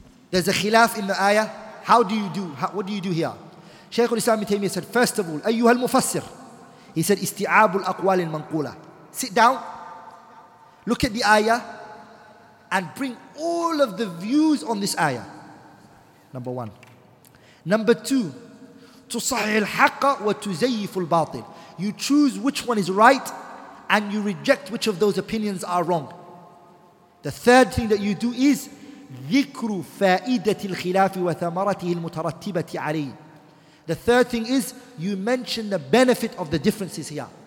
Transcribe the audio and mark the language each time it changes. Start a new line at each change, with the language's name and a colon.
English: There's a khilaf in the ayah. How do you do? What do you do here? Shaykh al-Islam Taymiyyah said, first of all, ayyuhal mufassir. He said, isti'abu al-aqwal al-manqula. Sit down, look at the ayah, and bring all of the views on this ayah. Number one. Number two,
Arabic: تُصَحِّحِ الْحَقَّ وَتُزَيِّفُ الْبَاطِلِ.
English: You choose which one is right and you reject which of those opinions are wrong. The third thing that you do is
Arabic: ذِكْرُ فَائِدَةِ الْخِلَافِ وَثَمَرَتِهِ الْمُتَرَتِّبَةِ عَلَيْهِ.
English: The third thing is you mention the benefit of the differences here.